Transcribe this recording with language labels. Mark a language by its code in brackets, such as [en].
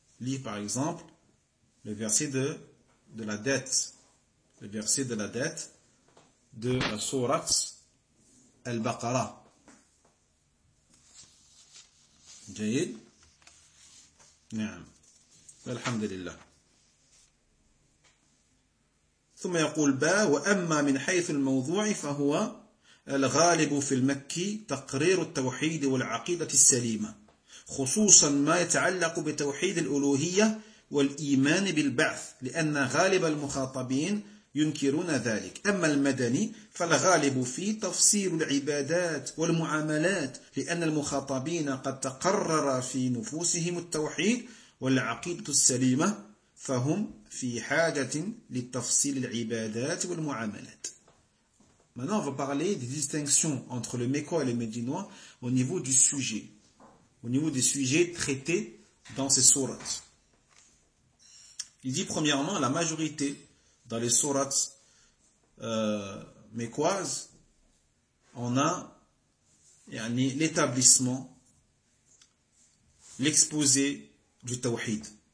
[fr] Lis par exemple le verset de la dette, le verset de la dette de la sourate Al-Baqarah. [ar] جيد نعم الحمد لله ثم يقول باء وأما من حيث الموضوع فهو الغالب في المكي تقرير التوحيد والعقيدة السليمة خصوصا ما يتعلق بتوحيد الألوهية والإيمان بالبعث لأن غالب المخاطبين ينكرون ذلك أما المدني فالغالب فيه تفسير العبادات والمعاملات لأن المخاطبين قد تقرر في نفوسهم التوحيد والعقيدة السليمة فهم في حاجة لتفصيل العبادات والمعاملات. [fr] Maintenant, on va parler des distinctions entre le Mekko et le Médinois au niveau du sujet, au niveau des sujets traités dans ces sourates. Il dit premièrement, la majorité dans les sourates mekkoises, on a yani, l'établissement, l'exposé du tawhid.